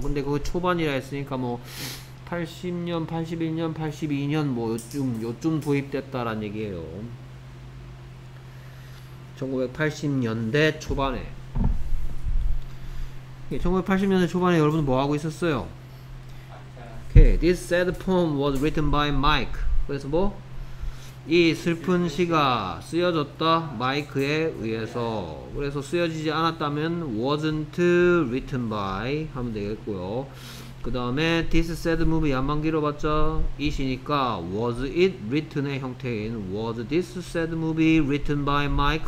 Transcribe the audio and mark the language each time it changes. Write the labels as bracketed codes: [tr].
[ko] 근데 그 초반이라 했으니까 뭐 80년, 81년, 82년 뭐 요쯤 도입됐다라는 얘기예요. 1980년대 초반에. 1980년대 초반에 여러분 뭐 하고 있었어요? [en] Okay, this sad poem was written by Mike. [ko] 그래서 뭐? 이 슬픈 시가 쓰여졌다 마이크에 의해서. 그래서 쓰여지지 않았다면 [en] wasn't written by [ko] 하면 되겠고요. 그 다음에 [en] This sad movie [ko] 안만 길어봤자 [en] it이니까 Was it written의 형태인 Was this sad movie written by Mike?